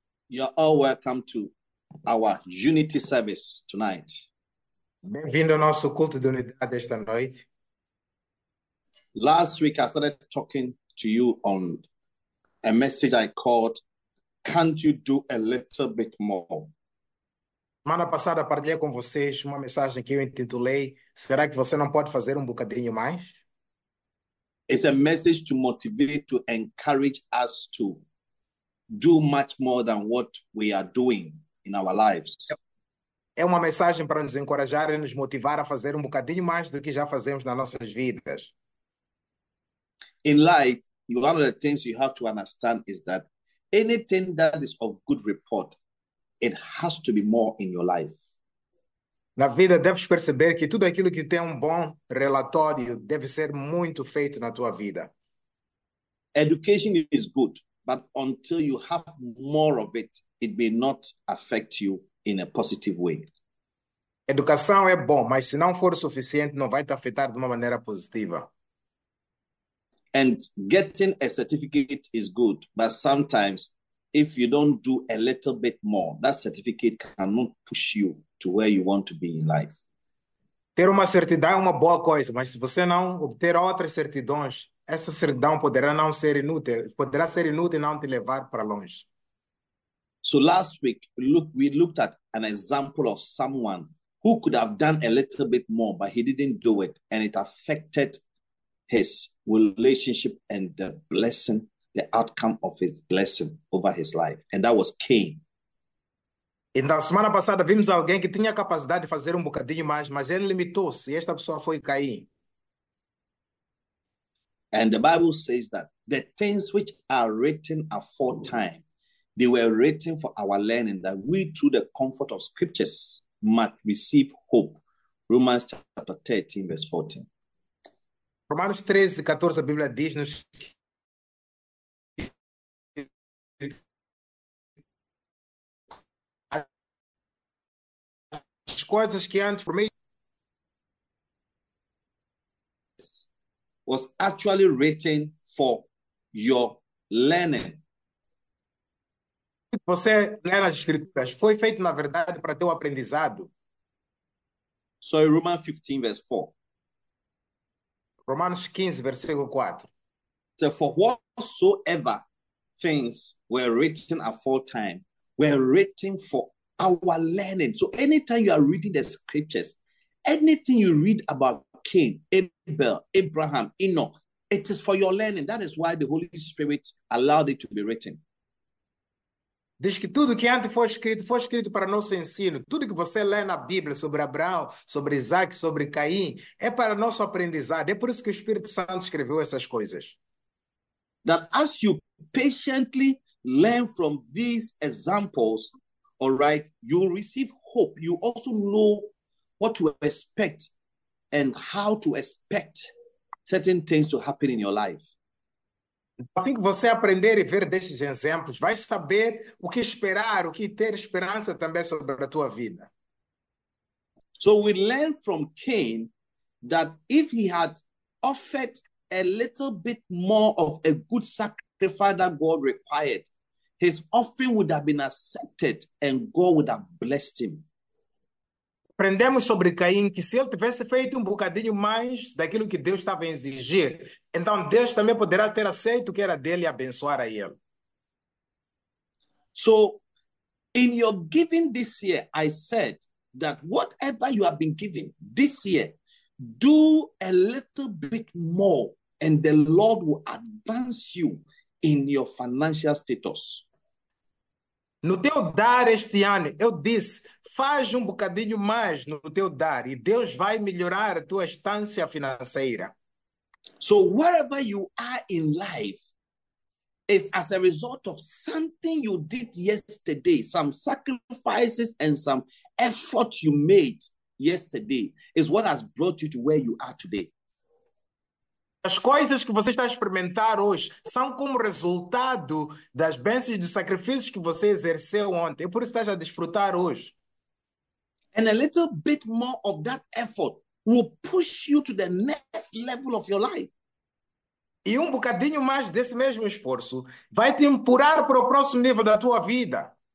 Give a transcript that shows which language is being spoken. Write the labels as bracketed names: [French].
[English] You are all welcome to our unity service tonight. [Portuguese] Bem-vindo ao nosso culto de unidade esta noite. [English] Last week I started talking to you on a message I called "Can't you do a little bit more?" [Portuguese] Semana passada partilhei com vocês uma mensagem que eu intitulei "Será que você não pode fazer um bocadinho mais?" [English] It's a message to motivate, to encourage us to do much more than what we are doing in our lives. [Portuguese] É uma mensagem para nos encorajar e nos motivar a fazer um bocadinho mais do que já fazemos nas nossas vidas. [English] In life, one of the things you have to understand is that anything that is of good report, it has to be more in your life. [Portuguese] Na vida, deves perceber que tudo aquilo que tem um bom relatório deve ser muito feito na tua vida. [English] Education is good, but until you have more of it, it may not affect you in a positive way. [Portuguese] Educação é bom, mas se não for suficiente, não vai te afetar de uma maneira positiva. [English] And getting a certificate is good, but sometimes if you don't do a little bit more, that certificate cannot push you to where you want to be in life. [Portuguese] Ter uma certidão é uma boa coisa, mas se você não obter outras certidões, essa certidão poderá não ser inútil, poderá ser inútil e não te levar para longe. [English] So last week, we looked at an example of someone who could have done a little bit more, but he didn't do it, and it affected his relationship and the blessing, the outcome of his blessing over his life. And that was Cain. [Portuguese] E na semana passada vimos alguém que tinha a capacidade de fazer um bocadinho mais, mas ele limitou-se e esta pessoa foi Caim. [English] And the Bible says that the things which are written aforetime, they were written for our learning, that we through the comfort of scriptures might receive hope. Romans chapter 13, verse 14. [Portuguese] Romanos 13, 14, a Bíblia diz-nos que coisas que antes por [English] was actually written for your learning. [Portuguese] você ler as escrituras foi feito, na verdade, para teu aprendizado. [English] So, Romans 15, verse 4. [Portuguese] Romanos 15, versículo 4. [English] So, for whatsoever things were written aforetime were written for our learning. So anytime you are reading the scriptures, anything you read about Cain, Abel, Abraham, Enoch, it is for your learning. That is why the Holy Spirit allowed it to be written. [Portuguese] Diz que tudo que antes foi escrito para nosso ensino. Tudo que você lê na Bíblia sobre Abraão, sobre Isaac, sobre Caim, é para nosso aprendizado. É por isso que o Espírito Santo escreveu essas coisas. [English] That as you patiently learn from these examples, all right, you will receive hope. You also know what to expect and how to expect certain things to happen in your life. [Portuguese] Assim que você aprender e ver destes exemplos, vai saber o que esperar, o que ter esperança também sobre a tua vida. [English] So we learn from Cain that if he had offered a little bit more of a good sacrifice that God required, his offering would have been accepted and God would have blessed him. [Portuguese] Aprendemos sobre Caim que se ele tivesse feito um bocadinho mais daquilo que Deus estava a exigir, então Deus também poderá ter aceito o que era dele e abençoar a ele. [English] So, in your giving this year, I said that whatever you have been giving this year, do a little bit more and the Lord will advance you in your financial status. [Portuguese] No teu dar este ano, eu disse, faz um bocadinho mais no teu dar e Deus vai melhorar a tua estância financeira. [English] So wherever you are in life, is as a result of something you did yesterday, some sacrifices and some effort you made yesterday, is what has brought you to where you are today. [Portuguese] As coisas que você está a experimentar hoje são como resultado das bênçãos e dos sacrifícios que você exerceu ontem. Por isso está a desfrutar hoje. [English] And a little bit more of that effort will push you to the next level of your life. [Portuguese] E bocadinho mais desse mesmo esforço vai te empurrar para o próximo nível da tua vida.